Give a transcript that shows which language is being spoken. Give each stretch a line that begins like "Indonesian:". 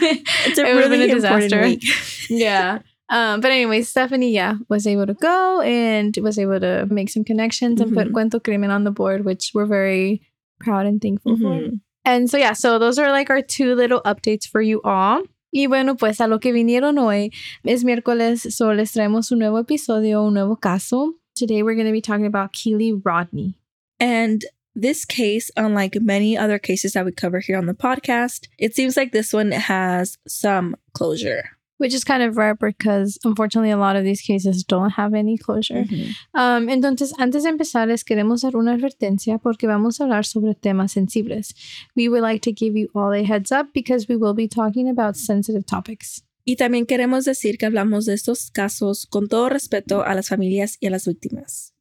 English: It's a it would really have been a disaster. Yeah. But anyway, Stephanie, was able to go and was able to make some connections and put Cuento Crimen on the board, which we're very proud and thankful for. And so, yeah, so those are like our two little updates for you all.
Spanish: Y bueno, pues a lo que vinieron hoy es miércoles, so les traemos un nuevo episodio, un nuevo caso.
English: Today we're going to be talking about Keely Rodney. And this case, unlike many other cases that we cover here on the podcast, it seems like this one has some closure. which is kind of rare because unfortunately a lot of these cases don't have any closure. Mm-hmm.
Spanish: Entonces, antes de empezar, les queremos dar una advertencia porque vamos a hablar sobre temas sensibles.
English: We would like to give you all a heads up because we will be talking about sensitive topics.
Spanish: Y también queremos decir que hablamos de estos casos con todo respeto a las familias y a las víctimas.